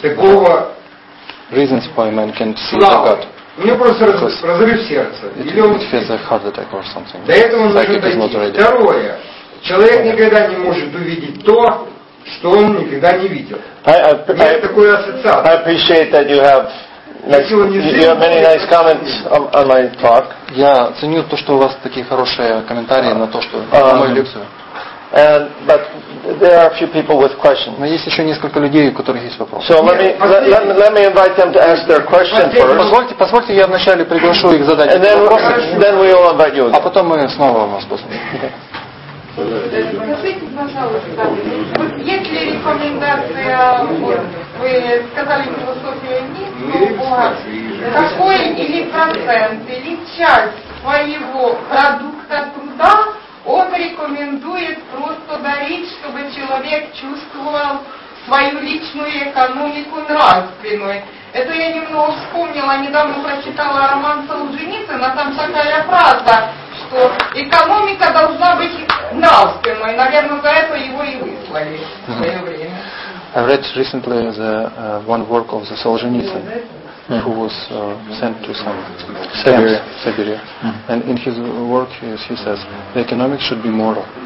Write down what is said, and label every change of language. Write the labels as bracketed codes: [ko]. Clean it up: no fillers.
[ru] такого [en] why man can't see the God. [ru] У него просто разрыв сердца. До этого он может дойти. Второе, человек никогда не может увидеть то, что он никогда не видел. Есть такой ассоциация. [en] I appreciate that you have... You have many nice comments on my talk. [ru] Я ценю то, что у вас такие хорошие комментарии на то, что на мою лекцию. [en] But there are a few people with questions. [ru] Но есть еще несколько людей, у которых есть вопросы. [en] So let me invite them to ask their question first. [ru] Позвольте, я вначале приглашу их задать вопросы. [en] Then we will invite you again. [ru] А потом мы снова вас посмотрим. Скажите, пожалуйста, есть ли рекомендация? Вы сказали философию, нет, но какой или процент, или часть своего продукта труда Он рекомендует просто дарить, чтобы человек чувствовал свою личную экономику нравственной. Это я немного вспомнила, недавно прочитала роман Солженицына, там такая фраза, что экономика должна быть нравственной. Наверное, за это его и выслали в свое время. [en] I read recently the one work of the Solzhenitsyn. Mm-hmm. Who was sent to some Siberia. Mm-hmm. And in his work he says the economics should be moral.